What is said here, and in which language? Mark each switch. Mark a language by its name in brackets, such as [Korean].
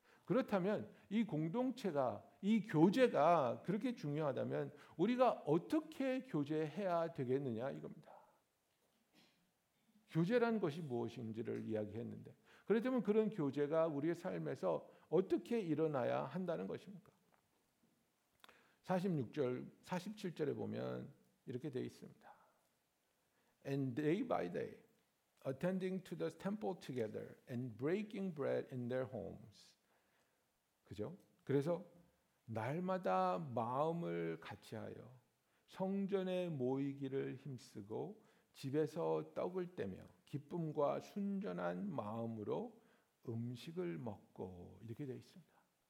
[Korean] 그렇다면 이 공동체가 이 교제가 그렇게 중요하다면 우리가 어떻게 교제해야 되겠느냐 이겁니다. 교제란 것이 무엇인지를 이야기했는데 그렇다면 그런 교제가 우리의 삶에서 어떻게 일어나야 한다는 것입니까? 46절, 47절에 보면 이렇게 되어 있습니다. [English] And day by day, attending to the temple together and breaking bread in their homes. [Korean] 그죠? 그래서 날마다 마음을 같이하여 성전에 모이기를 힘쓰고 집에서 떡을 떼며 기쁨과 순전한 마음으로 음식을 먹고 이렇게 되어 있습니다.